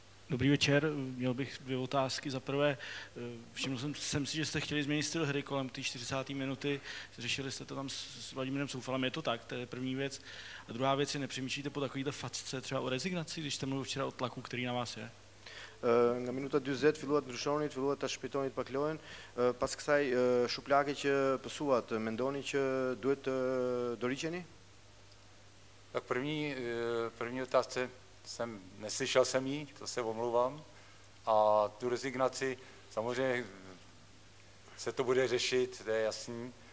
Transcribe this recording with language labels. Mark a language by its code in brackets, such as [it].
[cs] Dobrý večer, měl bych dvě otázky. Za prvé, všiml jsem si, že jste chtěli změnit styl hry kolem té 40. minuty, řešili jste to tam s Vladimírem Soufalem, je to tak, to je první věc. A druhá věc je, nepřemýšlíte po takovýto facce třeba o rezignaci, když jste mluvil včera o tlaku, který na vás je? [sq] Nga minuta 20 filluat ndryshonit, filluat ta shpejtonit pak lojen, pas kësaj shuplake që pësuat, mendoni që duhet të doriqeni? [cs] Tak první otázce, neslyšel jsem ji, to se omlouvám. A tu rezignaci, samozřejmě se to bude řešit, to je jasný.